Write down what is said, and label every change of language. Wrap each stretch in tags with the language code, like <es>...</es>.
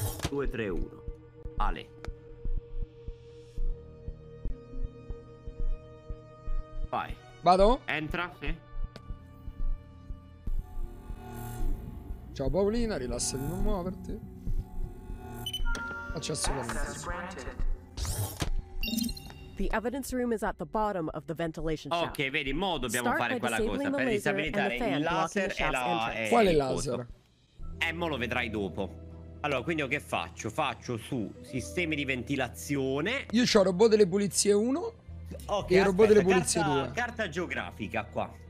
<it>231 Ale. Vai. Vado? Entra, sì. Ciao Paolina, rilassa di non muoverti. Accesso granted.</it> <en>The evidence room is at the bottom of the ventilation shaft.</en> <it>Ok, vedi, mo dobbiamo start fare quella cosa per disabilitare il laser e la... Quale laser? Mo lo vedrai dopo. Allora, quindi io che faccio? Faccio su sistemi di ventilazione. Io c'ho robot delle pulizie 1. Ok, e aspetta, robot delle pulizie 2. Carta geografica qua.</it>